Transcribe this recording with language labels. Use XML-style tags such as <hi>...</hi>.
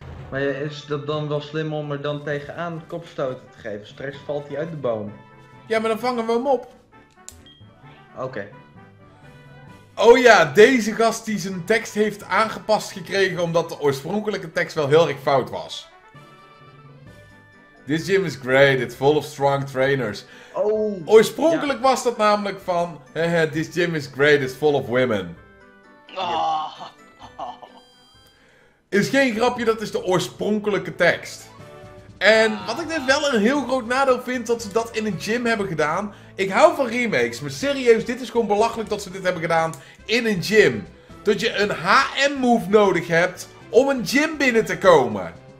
<nl>Maar is dat dan wel slim om er dan tegenaan kopstoten te geven? Straks valt hij uit de boom. Ja, maar dan vangen we hem op. Oké. Oh ja, deze gast die zijn tekst heeft aangepast gekregen omdat de oorspronkelijke tekst wel heel erg fout was.</nl> <en>This gym is great, it's full of strong trainers. Oh,</en> <nl>oorspronkelijk was dat namelijk van...</nl> <en>This gym is great, it's full of women. Oh.</en> <nl>Is geen grapje, dat is de oorspronkelijke tekst. En wat ik dus wel een heel groot nadeel vind dat ze dat in een gym hebben gedaan... Ik hou van remakes, maar serieus, dit is gewoon belachelijk dat ze dit hebben gedaan in een gym. Dat je een HM-move nodig hebt om een gym binnen te komen.</nl>